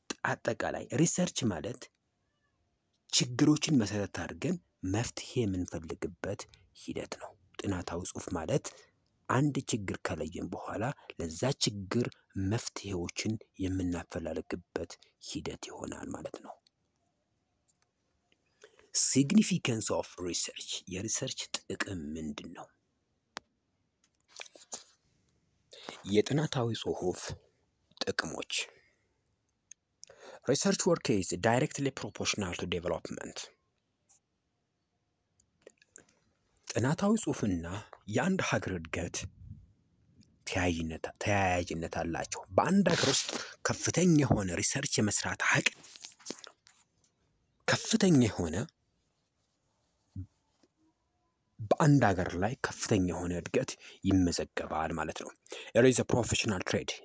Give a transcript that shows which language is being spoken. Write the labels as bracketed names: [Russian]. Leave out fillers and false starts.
[Amharic] አጠቃላይ ሪሰርች ማለት ችግሮችን መሰረት አድርገን መፍትሄ የምንፈልግበት ሂደት ነው። ጥናታዊ ጽሑፍ ማለት አንድ ችግር ከለየን በኋላ ለዛ ችግር መፍትሄዎችን የምናፈላልግበት ሂደት ይሆናል ማለት ነው። [English] Significance of research [Amharic] የሪሰርች ጥቅም ምንድን ነው? የጥናታዊ ጽሑፍ ጥቅሞች [English] Research work is directly proportional to development. [Amharic] ጥናታዊ ጽሑፍና የአንድ ሀገር እድገት ተያያዥነት አላቸው። በአንድ ሀገር ውስጥ ከፍተኛ የሆነ ሪሰርች የመስራት አቅም ከፍተኛ የሆነ በአንድ ሀገር ላይ ከፍተኛ የሆነ እድገት ይመዘገባል ማለት ነው። [English] There is a professional trade.